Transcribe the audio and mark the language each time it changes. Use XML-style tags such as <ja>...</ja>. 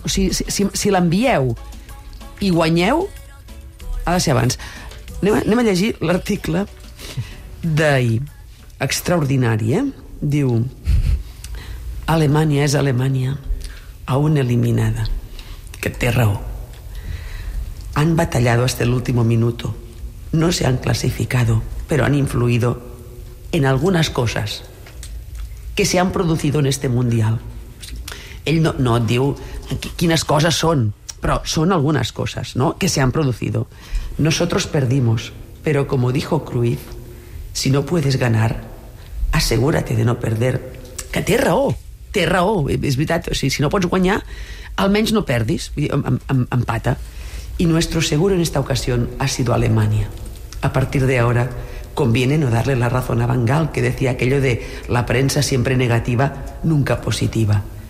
<ca>O sigui, si l'envieu i guanyeu, ha de ser abans. Anem a llegir l'article d'ahir. Extraordinari, eh? Diu, Alemanya és Alemanya,</ca> <es>aún eliminada.</es> <ca>Que té raó.</ca> <es>Han batallado hasta el último minuto. No se han clasificado, pero han influido en algunas cosas que se han producido en este mundial.</es> <ca>Ell no et diu quines coses són, però són algunes coses, no?,</ca> <es>que se han producido. Nosotros perdimos, pero como dijo Cruyff, si no puedes ganar, asegúrate de no perder.</es> <ca>Que té raó, és veritat. O sigui, si no pots guanyar, almenys no perdis, empata.</ca> <es>Y nuestro seguro en esta ocasión ha sido Alemania. A partir de ahora, conviene no darle la razón a Van Gaal, que decía aquello de la prensa siempre negativa, nunca positiva.</es>